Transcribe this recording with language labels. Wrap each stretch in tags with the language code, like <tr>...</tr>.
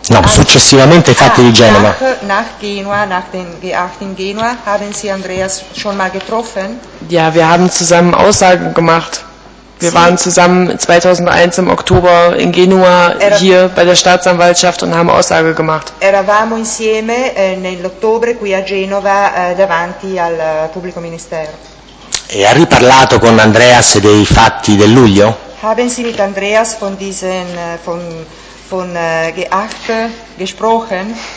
<it>No, successivamente fatti di Genova.</it> <de>Nach Genua, nach den G8 in Genua, haben Sie Andreas schon mal getroffen? Ja, wir haben zusammen Aussagen gemacht. Wir waren zusammen 2001 im Oktober in Genua hier bei der Staatsanwaltschaft und haben Aussage gemacht.</de> <it>Eravamo insieme nell'ottobre qui a Genova davanti al pubblico ministero. E ha riparlato con Andreas dei fatti del luglio?</it> <de>Haben Sie mit Andreas von diesen von G8 gesprochen?</de>